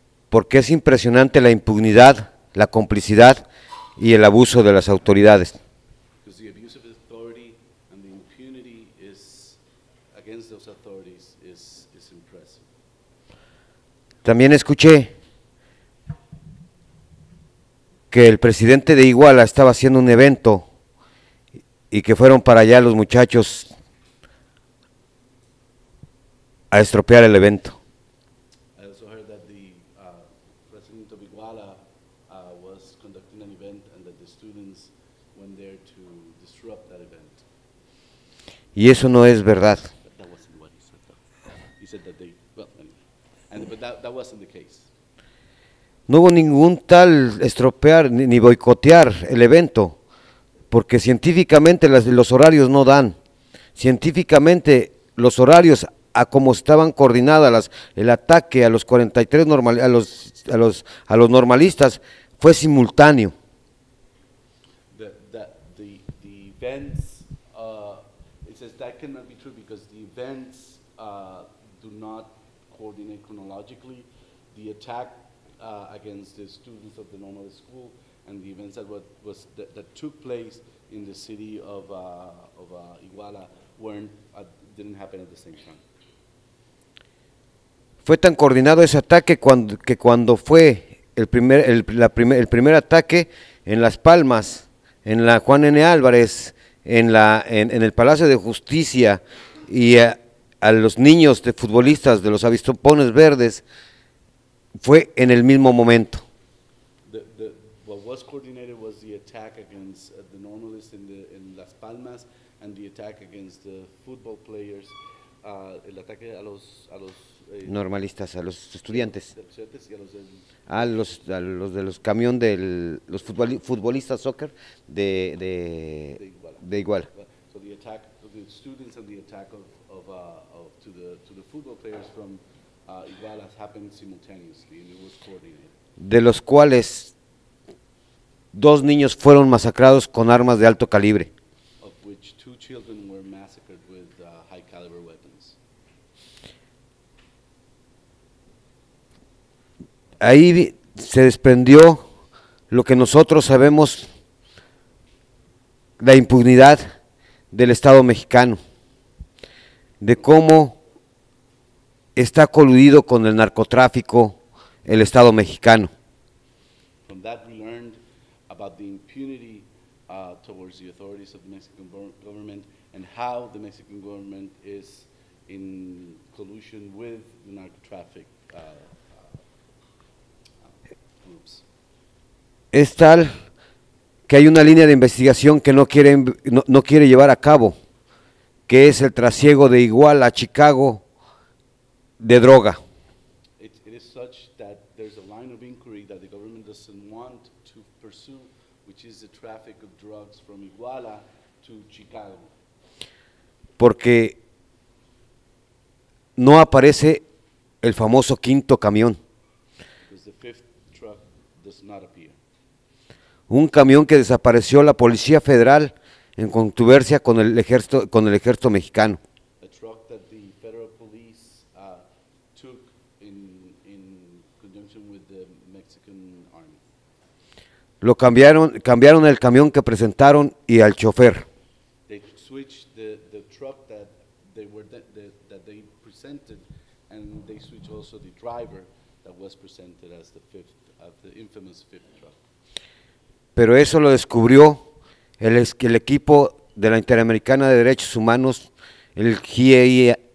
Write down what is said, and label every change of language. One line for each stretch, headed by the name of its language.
Spanish: Porque es impresionante la impunidad, la complicidad y el abuso de las autoridades.
English: Because the abuse of authority and the impunity is against those authorities is impressive.
Spanish: También escuché que el presidente de Iguala estaba haciendo un evento y que fueron para allá los muchachos a estropear el evento.
English: I also heard that the president of Iguala was conducting an event and that the students went there to disrupt that event.
Spanish: Y eso no es verdad.
English: But that wasn't what he said, though. He said that they, well, and, but that wasn't the case.
Spanish: No hubo ningún tal estropear ni boicotear el evento, porque científicamente los horarios no dan. Científicamente los horarios, a como estaban coordinadas el ataque a los 43 normal, a los normalistas, fue simultáneo.
English: The events, it says that cannot be true because the events do not coordinate chronologically. The attack against the students of the normal school and the events that was that took place in the city of Iguala didn't happen at the same time.
Spanish: Fue tan coordinado ese ataque cuando fue el primer ataque en Las Palmas, en la Juan N. Álvarez, en el Palacio de Justicia y a los niños de futbolistas de los Avispones Verdes. Fue en el mismo momento.
English: What was coordinated was the attack against the normalists in Las Palmas and the attack against the football players,
Spanish: el ataque a los normalistas, a los estudiantes. Y a los del, a los de los camión del los futbolistas soccer de Iguala.
English: So the attack to the students and the attack to the football players from Iguala has happened simultaneously and it was coordinated.
Spanish: De los cuales dos niños fueron masacrados con armas de alto calibre.
English: Of which two children were massacred with high caliber weapons.
Spanish: Ahí se desprendió lo que nosotros sabemos, la impunidad del Estado mexicano, de cómo está coludido con el narcotráfico el Estado mexicano.
English: From that we learned about the impunity towards the authorities of the Mexican government and how the Mexican government is in collusion with the narcotraffic groups.
Spanish: Es tal que hay una línea de investigación que no quiere llevar a cabo, que es el trasiego de Iguala a Chicago de droga.
English: It is such that there's a line of inquiry that the government doesn't want to pursue, which is the traffic of drugs from Iguala to Chicago.
Spanish: Porque no aparece el famoso quinto camión.
English: Because the fifth truck does not appear.
Spanish: Un camión que desapareció la Policía Federal en controversia con el ejército mexicano.
English: A truck that the federal police took in in conjunction with the Mexican army.
Spanish: Lo cambiaron el camión que presentaron y al chofer.
English: They switched the truck that they were that they presented, and they switched also the driver that was presented as the fifth of the infamous fifth truck.
Spanish: Pero eso lo descubrió el equipo de la Interamericana de Derechos Humanos, el GEI.